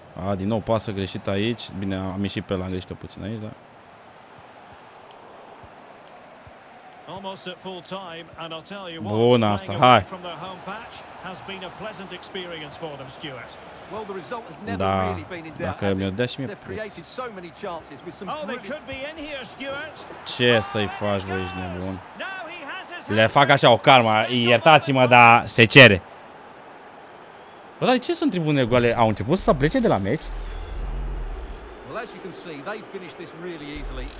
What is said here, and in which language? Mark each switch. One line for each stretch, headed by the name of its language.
Romanian: A, din nou pasă greșit aici. Bine, am ieșit pe la greșită puțin aici, da.
English: Almost at full time, and I'll tell you what, playing away from their home patch has been a pleasant experience for them, Stuart. Well, the result has never really been in doubt. They've created so many chances with some. Oh, they could be in here, Stuart.
Romanian: Ce să-i faci, băi, ești nebun. Le fac așa o calmă, iertați-mă, dar se cere. Bă, dar de ce sunt tribune goale? Au început să plece de la meci?
English: As you can see, they finish this really easily.